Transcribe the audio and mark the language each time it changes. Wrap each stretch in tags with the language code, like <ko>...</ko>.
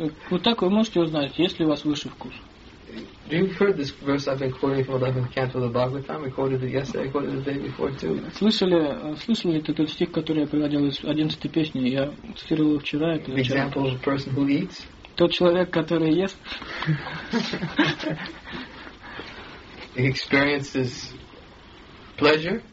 <ru>Вот так вы можете узнать, есть ли у вас высший вкус.</ru> <en>You've heard this verse I've been quoting from 11th canto of the Bhagavatam. We quoted it yesterday. I quoted it the day before too.</en> <ru>Слышали этот стих, который я приводил из 11-й песни? Я цитировал его вчера.</ru> <en>The example of a person who eats.</en> <ru>Тот человек, который ест.</ru> <en>He experiences pleasure.</en>